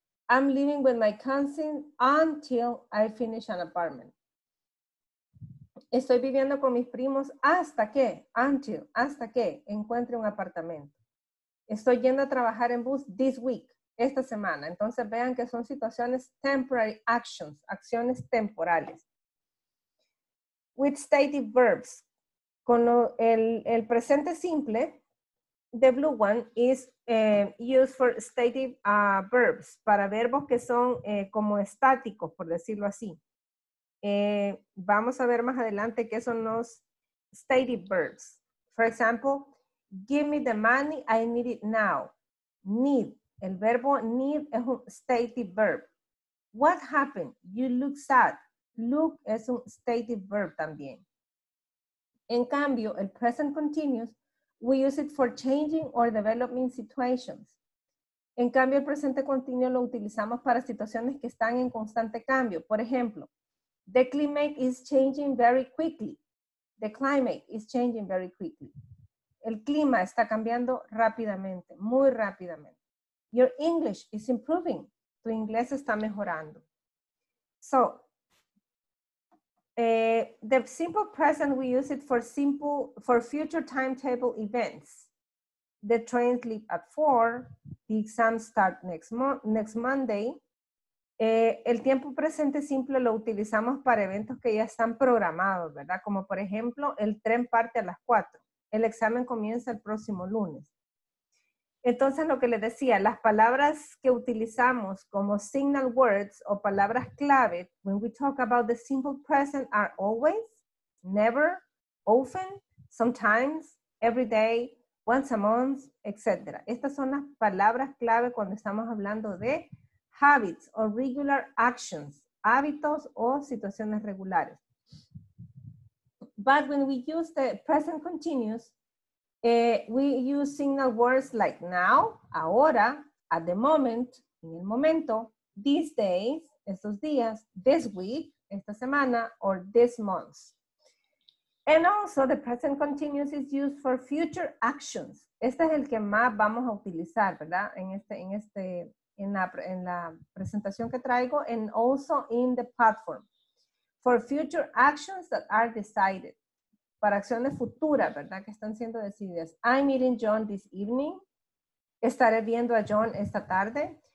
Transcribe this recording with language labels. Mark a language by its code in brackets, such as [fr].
[en] I'm living with my cousin until I finish an apartment. [es] Estoy viviendo con mis primos hasta que, until, hasta que encuentre un apartamento. Estoy yendo a trabajar en bus [en] this week, [es] esta semana. Entonces vean que son situaciones [en] temporary actions, [es] acciones temporales. [en] With stative verbs, [es] con el presente simple, [en] the blue one is used for stative verbs, [es] para verbos que son como estáticos, por decirlo así. Vamos a ver más adelante qué son los stative verbs. [en] For example, give me the money, I need it now. Need, [es] el verbo need es un [en] stative verb. What happened? You look sad. Look [es] es un stative verb también. En cambio, el [en] present continuous, we use it for changing or developing situations. [es] En cambio, el presente continuo lo utilizamos para situaciones que están en constante cambio. Por ejemplo, [en] the climate is changing very quickly. The climate is changing very quickly. [es] El clima está cambiando rápidamente, muy rápidamente. [en] Your English is improving. [es] Tu inglés está mejorando. [en] So, the simple present, we use it for simple, for future timetable events. The trains leave at 4, the exams start next Monday. [es] El tiempo presente simple lo utilizamos para eventos que ya están programados, ¿verdad? Como por ejemplo, el tren parte a las 4, el examen comienza el próximo lunes. Entonces, lo que les decía, las palabras que utilizamos como [en] signal words [es] o palabras clave, [en] when we talk about the simple present, are always, never, often, sometimes, every day, once a month, etc. [es] Estas son las palabras clave cuando estamos hablando de habits o [en] regular actions, [es] hábitos o situaciones regulares. [en] But when we use the present continuous, we use signal words like now, [es] ahora, [en] at the moment, [es] en el momento, [en] these days, [es] estos días, [en] this week, [es] esta semana, [en] or this month. And also, the present continuous is used for future actions. [es] Este es el que más vamos a utilizar, ¿verdad? En la presentación que traigo, [en] and also in the platform. For future actions that are decided. [es] Para acciones futuras, ¿verdad? Que están siendo decididas. [en] I'm meeting John this evening. [es] Estaré viendo a John esta tarde.